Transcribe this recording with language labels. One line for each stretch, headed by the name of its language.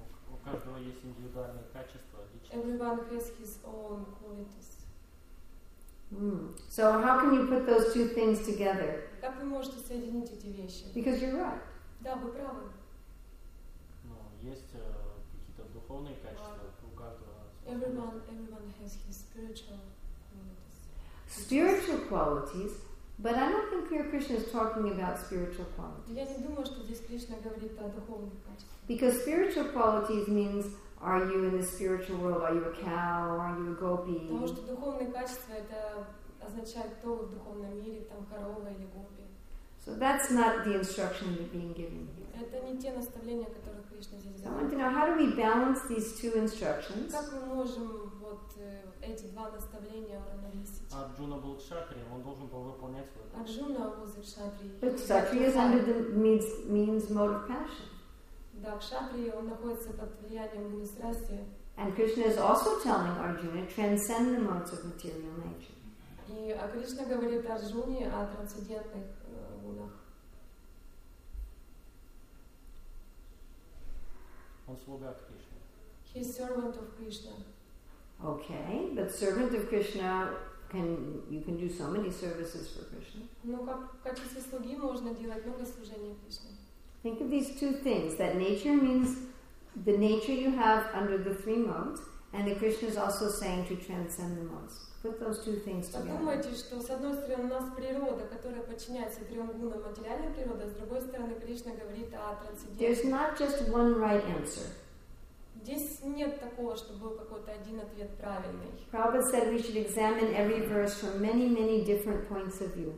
Russian: У каждого есть индивидуальные качества.
English: Everyone has his own qualities. So how can you put those two things together?
Russian: Как вы можете соединить эти вещи?
English: Because you're right.
Russian: Да, вы правы. Ну, есть какие-то духовные качества у каждого.
English: Everyone has his spiritual qualities. Spiritual qualities, but I don't think here Krishna is talking about spiritual qualities.
Russian: Я не думаю, что здесь Кришна говорит о духовных качествах.
English: Because spiritual qualities means are you in the spiritual world? Are you a cow? Are you a gopi?
Russian: Потому что духовные качества это означает то, в духовном мире, там корова или гопи.
English: So that's not the instruction that being given here.
Russian: Это не те наставления, которые Кришна здесь дает.
English: I want to know, how do we balance these two instructions?
Russian: Как мы можем вот эти два наставления уравновесить? Арджуна был кшатрием, он должен был выполнять свой долг.
English: Арджуна was a kshatriya. But kshatriya is under the means mode of passion.
Russian: Да, кшатрия, он находится под влиянием гуны страсти.
English: And Krishna is also telling Arjuna, transcend the modes of material nature.
Russian: И Кришна говорит Арджуне о трансцендентных гунах. Он слуга Кришны.
English: He's servant of Krishna. Okay, but servant of Krishna you can do so many services for Krishna.
Russian: Ну как в качестве слуги можно делать много служений Кришне.
English: Think of these two things, that nature means the nature you have under the three modes, and that Krishna is also saying to transcend the modes. Put those two things together.
Russian: Подумайте, что с одной стороны у нас природа, которая подчиняется трем гунам, материальная природа, с другой стороны Кришна говорит о трансцендентном.
English: There's not just one right answer.
Russian: Здесь нет такого, что был какой-то один ответ правильный.
English: Prabhupada said we should examine every verse from many, many different points of view.